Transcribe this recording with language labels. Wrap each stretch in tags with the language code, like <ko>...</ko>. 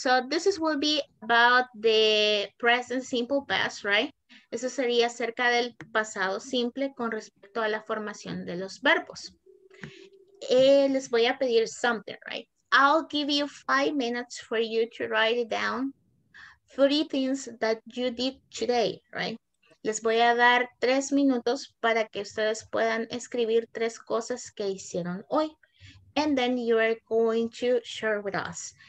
<en>So this is will be about the present simple past, right?</en> <es>Eso sería acerca del pasado simple con respecto a la formación de los verbos. Les voy a pedir something, right?</es> <en>I'll give you 5 minutes for you to write it down. 3 things that you did today, right?</en> <es>Les voy a dar 3 minutos para que ustedes puedan escribir 3 cosas que hicieron hoy.</es> <en>And then you are going to share with us.</en>